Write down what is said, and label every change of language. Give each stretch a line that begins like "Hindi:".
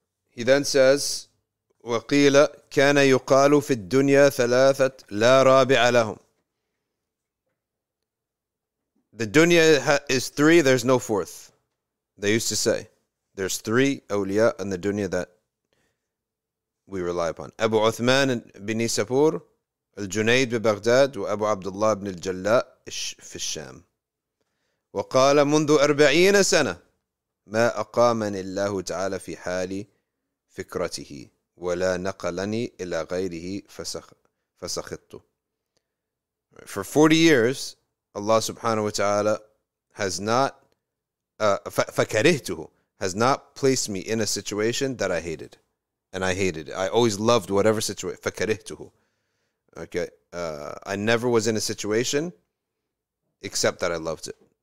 English: He then says,
Arabic: وَقِيلَ كَانَ يُقَالُ فِي الدُّنْيَا ثَلَاثَةَ لَا رَابِعَ لَهُمْ.
English: The dunya is three, there's no fourth. They used to say, there's three awliya in the dunya that we rely upon.
Arabic: Abu Uthman bin Nisapur, الجنيد ببغداد وأبو عبد الله بن الجلاء في الشام وقال منذ 40 سنة ما أقامني الله تعالى في حالي فكرته ولا نقلني إلى غيره فسخطت.
English: For 40 years Allah subhanahu wa ta'ala has not
Arabic: فكرهته,
English: has not placed me in a situation that I hated, and I hated it. I always loved whatever situation.
Arabic: فكرهته.
English: Okay, I never was in a situation except that I loved it.